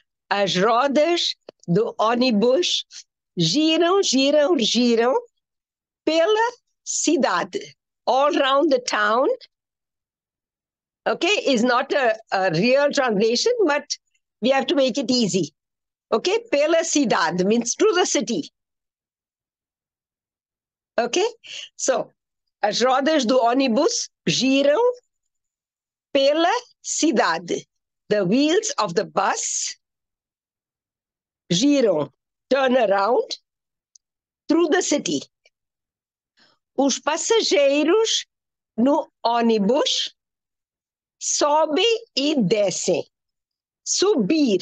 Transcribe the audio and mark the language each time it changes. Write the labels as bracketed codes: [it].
[pt] As rodas do ônibus giram, giram, giram pela cidade. [en] All round the town. Okay, is not a real translation, but we have to make it easy. Okay, pela cidade means through the city. [pt] Okay, so as rodas do ônibus giram pela cidade. [en] The wheels of the bus giram, turn around, through the city. [pt] Os passageiros no ônibus sobem e descem. Subir.